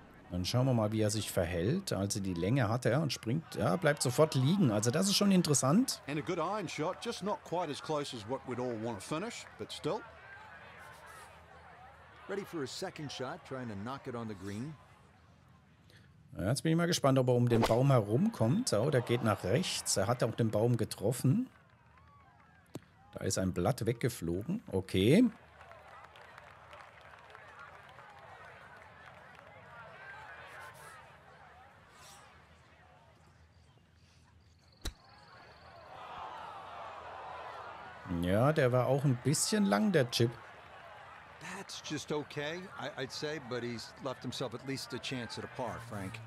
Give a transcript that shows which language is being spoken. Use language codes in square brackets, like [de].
[de] Dann schauen wir mal, wie er sich verhält. Also die Länge hat er und springt, ja, bleibt sofort liegen. Also das ist schon interessant. [en] And a good iron shot, just not quite as close as what we'd all want to finish, but still. Ready for a second shot, trying to knock it on the green. [de] Ja, jetzt bin ich mal gespannt, ob er um den Baum herumkommt. Oh, der geht nach rechts. Er hat auch den Baum getroffen. Da ist ein Blatt weggeflogen. Okay. Ja, der war auch ein bisschen lang, der Chip. [en] That's just okay, I'd say, but he's left himself at least a chance at a par, Frank.